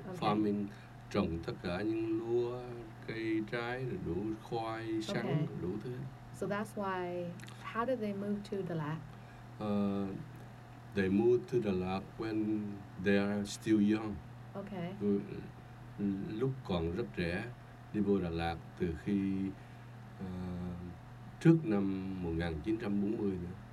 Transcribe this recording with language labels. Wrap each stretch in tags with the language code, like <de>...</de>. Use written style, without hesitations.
<vi>farming, trồng tất cả những lúa, cây trái, đủ khoai, sắn, okay. Đủ thứ.</vi> <en>So that's why, how did they move to Đà Lạt? They moved to Đà Lạt when they are still young. Okay.</en> <vi>Lúc còn rất trẻ, đi vô Đà Lạt từ khi trước năm 1940 nữa.</vi>